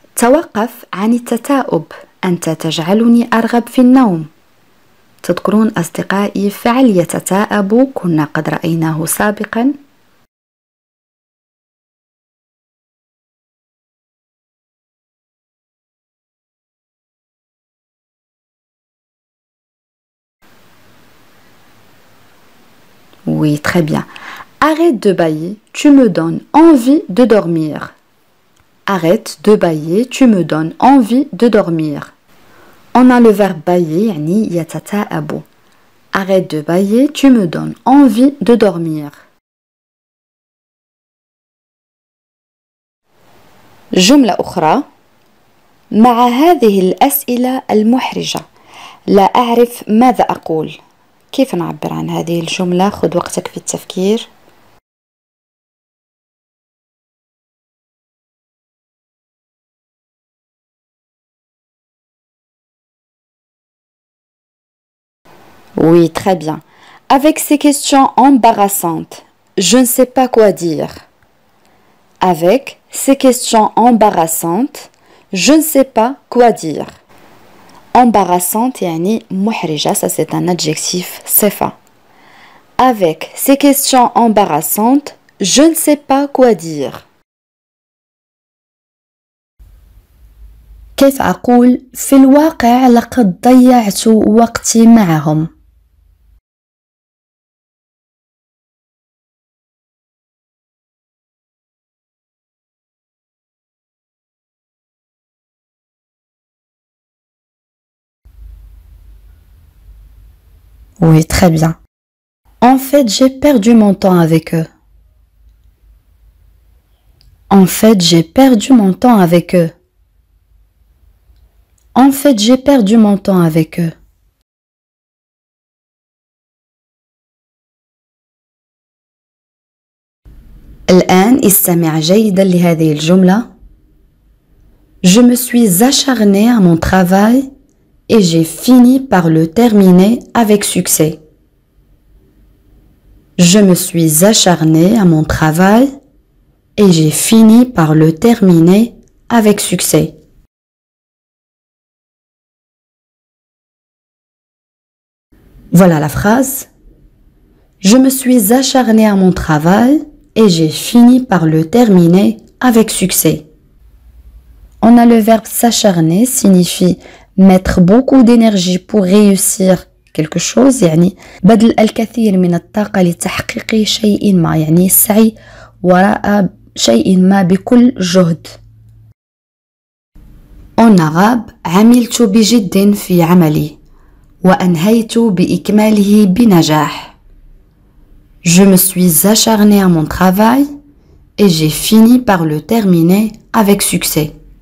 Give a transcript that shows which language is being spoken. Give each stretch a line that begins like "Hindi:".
Arabic: توقف عن التتاؤب أنت تجعلني أرغب في النوم تذكرون أصدقائي فعل يتتاءب كنا قد رأيناه سابقا
French: Oui, très bien. Arrête de bâiller, tu me donnes envie de dormir. Arrête de bâiller, tu me donnes envie de dormir. On a le verbe bâiller,
Arabic: yani yatata'abo.
French: Arrête de bâiller, tu me donnes envie de dormir.
Arabic: جملة أخرى مع هذه الأسئلة المحرجة لا أعرف ماذا أقول. كيف نعبر عن هذه الجملة؟ خذ وقتك في التفكير.
French: Oui, très bien. Avec ces questions embarrassantes, je ne sais pas quoi dire. Avec ces questions embarrassantes, je ne sais pas quoi dire. Embarrassante,
Arabic: yani muhrija,
French: ça c'est un adjectif sefa. Avec ces questions embarrassantes, je ne sais pas quoi dire.
Arabic: كيف أقول في الواقع لقد ضيعت وقتي معهم.
French: Oui, très bien. En fait, j'ai perdu mon temps avec eux. En fait, j'ai perdu mon temps avec eux. En fait, j'ai perdu mon temps avec eux.
Arabic: الآن استمع جيدا لهذه الجملة.
French: Je me suis acharné à mon travail. Et j'ai fini par le terminer avec succès. Je me suis acharné à mon travail et j'ai fini par le terminer avec succès. Voilà la phrase. Je me suis acharné à mon travail et j'ai fini par le terminer avec succès. On a le verbe s'acharner signifie mettre beaucoup d'énergie pour réussir quelque chose,
Arabic: يعني بذل الكثير من الطاقة لتحقيق شيء ما, يعني سعي وراء شيء ما بكل جهد.
French: En arabe,
Arabic: عملت بجد في عملي وأنهيت بإكماله بنجاح.
French: Je me suis acharné à mon travail et j'ai fini par le terminer avec succès.